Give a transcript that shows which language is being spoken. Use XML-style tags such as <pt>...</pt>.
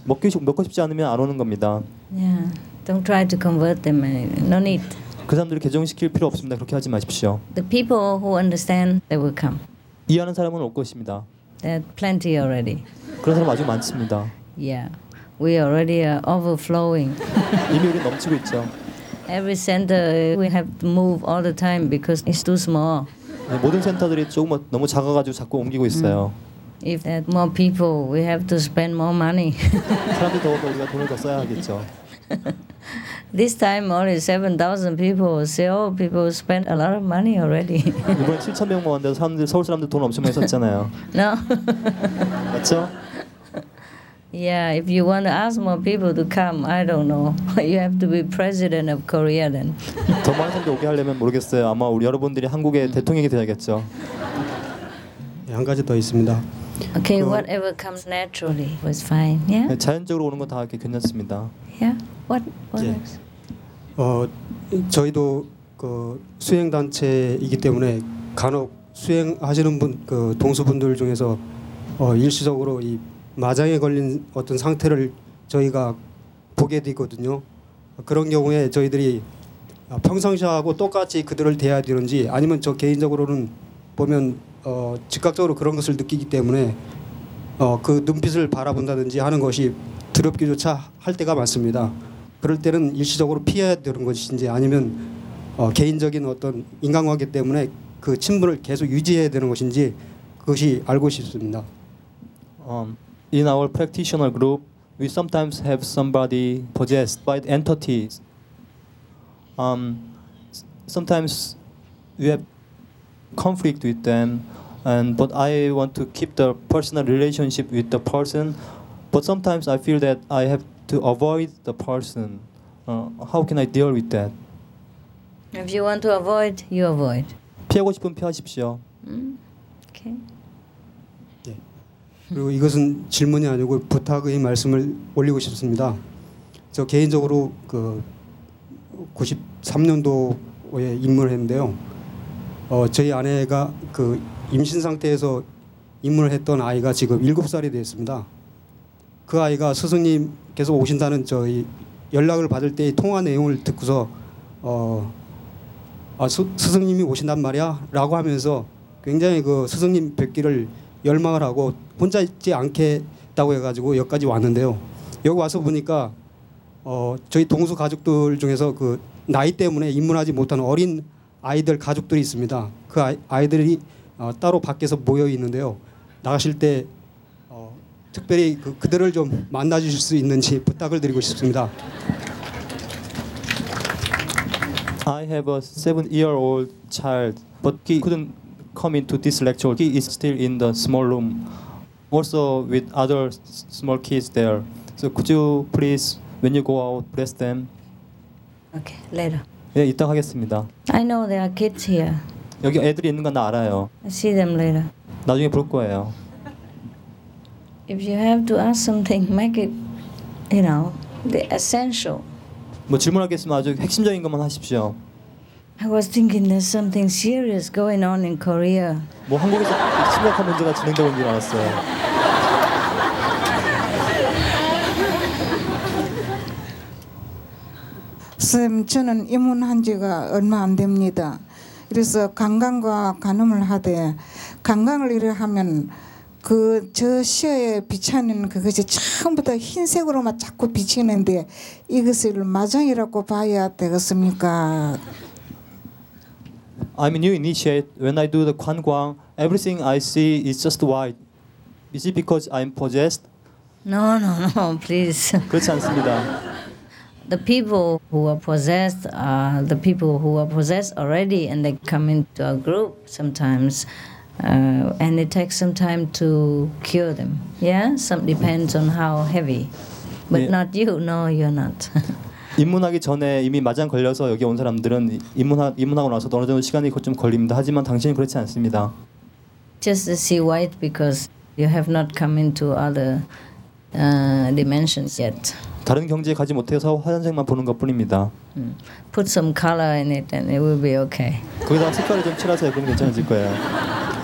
<ko>먹고 싶지 않으면 안 오는 겁니다.</ko> <en>Yeah, don't try to convert them. No need.</en> <ko>그 사람들을 개종시킬 필요 없습니다. 그렇게 하지 마십시오.</ko> <en>The people who understand, they will come.</en> <ko>이해하는 사람은 올 것입니다.</ko> <en>There are plenty already.</en> <ko>그런 사람 아주 많습니다.</ko> <en>Yeah, we already are overflowing.</en> <ko>이미 우리 넘치고 있죠.</ko> <en>Every center we have to move all the time because it's too small.</en> <ko>모든 센터들이 조금 너무 작아가지고 자꾸 옮기고 있어요.</ko> <en>If there are more people, we have to spend more money.</en> <ko>사람이 더 오면 우리가 돈을 더 써야 하겠죠.</ko> <en>This time only 7,000 people. Seoul people spent a lot of money already.</en> <ko>이번 7,000명 모았는데 사람들 서울 사람들 돈 엄청 많이 썼잖아요.</ko> <en>No.</en> <ko>맞죠?</ko> <en>Yeah, if you want to ask more people to come, I don't know. You have to be president of Korea then.</en> <ko>더 많은 사람들 오게 하려면 모르겠어요. 아마 우리 여러분들이 한국의 대통령이 되야겠죠. 네, 한 가지 더 있습니다.</ko> <en>Okay, whatever comes naturally was fine. Yeah.</en> <ko>네, 자연적으로 오는 거 다 이렇게 괜찮습니다.</ko> <en>Yeah. What 네. else?</en> <ko>저희도 그 수행 단체이기 때문에 간혹 수행하시는 분 그 동수분들 중에서 일시적으로 이 마장에 걸린 어떤 상태를 저희가 보게 되거든요. 그런 경우에 저희들이 평상시하고 똑같이 그들을 대해야 되는지 아니면 저 개인적으로는 보면 즉각적으로 그런 것을 느끼기 때문에 그 눈빛을 바라본다든지 하는 것이 두렵기조차 할 때가 많습니다. 그럴 때는 일시적으로 피해야 되는 것인지 아니면 개인적인 어떤 인간관계 때문에 그 친분을 계속 유지해야 되는 것인지 그것이 알고 싶습니다.</ko> <en>In our practitioner group, we sometimes have somebody possessed by the entities. Sometimes we have conflict with them, but I want to keep the personal relationship with the person. But sometimes I feel that I have to avoid the person. How can I deal with that? If you want to avoid, you avoid.</en> <ko>피하고 싶으면 피하십시오.</ko> <en>Okay.</en> <ko>그리고 이것은 질문이 아니고 부탁의 말씀을 올리고 싶습니다. 저 개인적으로 그 93년도에 입문을 했는데요. 저희 아내가 그 임신 상태에서 입문을 했던 아이가 지금 7살이 되었습니다. 그 아이가 스승님 계속 오신다는 저희 연락을 받을 때의 통화 내용을 듣고서 스승님이 오신단 말이야? 라고 하면서 굉장히 그 스승님 뵙기를 열망을 하고 혼자 있지 않겠다고 해가지고 여기까지 왔는데요. 여기 와서 보니까 저희 동수 가족들 중에서 그 나이 때문에 입문하지 못한 어린 아이들 가족들이 있습니다. 그 아이들이 따로 밖에서 모여 있는데요. 나가실 때 특별히 그들을 좀 만나주실 수 있는지 부탁을 드리고 싶습니다.</ko> <en>I have a 7-year-old child, but he couldn't come into this lecture. He is still in the small room, also with other small kids there. So could you please, when you go out, bless them? Okay, later.</en> <ko>네, 이따 하겠습니다.</ko> <en>I know there are kids here.</en> <ko>여기 애들이 있는 건 나 알아요.</ko> <en>I see them later.</en> <ko>나중에 볼 거예요.</ko> <en>If you have to ask something, make it, you know, the essential.</en> <ko>뭐 질문하겠습니다. 아주 핵심적인 것만 하십시오.</ko> <en>I was thinking there's something serious going on in Korea.</en> <ko>뭐 한국에서 심각한 문제가 진행되고 있는 줄 알았어요. Sam, 저는 입문한 지가 얼마 안 됩니다. 그래서 관광과 간음을 하되 관광을 이래 하면 그 저 시야에 비치는 그것이 전부 다 흰색으로 막 자꾸 비치는데 이것을 마장이라고 봐야 되겠습니까?</ko> <en>I'm a new initiate. When I do the Kwangwang, everything I see is just white. Is it because I'm possessed? No, please.</en> <ko>그렇지 않습니다.</ko> <en>The people who are possessed are the people who are possessed already, and they come into our group sometimes, and it takes some time to cure them. Yeah? Some depends on how heavy. But 네. not you. No, you're not.</en> <ko>입문하기 전에 이미 마장 걸려서 여기 온 사람들은 입문하고 나서 어느 정도 시간이 좀 걸립니다. 하지만 당신은 그렇지 않습니다.</ko> <en>Just to see white because you have not come into other dimensions yet.</en> <ko>다른 경지에 가지 못해서 하얀색만 보는 것뿐입니다.</ko> <en>Put some color in it and it will be okay.</en> <ko>거기다 색깔을 좀 칠하세요. 그러면 괜찮아질 거예요.</ko>